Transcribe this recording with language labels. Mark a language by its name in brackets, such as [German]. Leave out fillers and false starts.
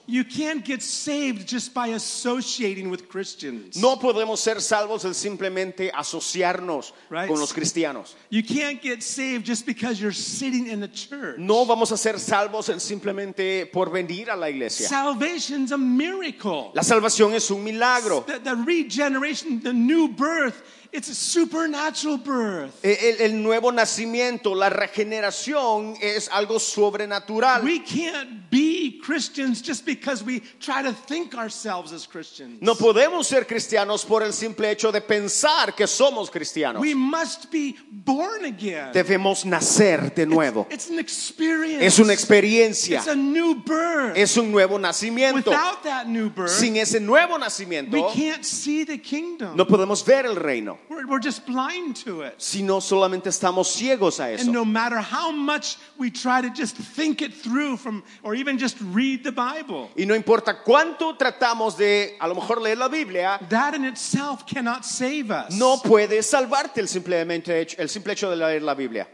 [English] You can't get saved just by associating with Christians. [Spanish] No podemos ser salvos el simplemente asociarnos [English] right? [Spanish] con los cristianos. [English] You can't get saved just because you're sitting in the church. [Spanish] No vamos a ser salvos el simplemente por venir a la iglesia. [English] Salvation's a miracle. [Spanish] La salvación es un milagro. [English] The regeneration, the new birth, it's a supernatural birth. [Spanish] El nuevo nacimiento, la regeneración es algo sobrenatural. [English] We can't be Christians just because we try to think ourselves as Christians. [Spanish] No podemos ser cristianos por el simple hecho de pensar que somos cristianos. [English] We must be born again. [Spanish] Debemos nacer de nuevo. [English] It's an experience. [Spanish] Es una experiencia. [English] It's a new birth. [Spanish] Es un nuevo nacimiento. [English] Without that new birth, [Spanish] sin ese nuevo nacimiento, [English] we can't see the kingdom. [Spanish] No podemos ver el reino. [English] We're just blind to it. [Spanish] Si no solamente estamos ciegos a eso. [English] And no matter how much we try to just think it through from, or even just read the Bible. [Spanish] Y no importa cuánto tratamos de, a lo mejor leer la Biblia. [English] That in itself cannot save us. [Spanish] No puede salvarte el simple hecho de leer la Biblia.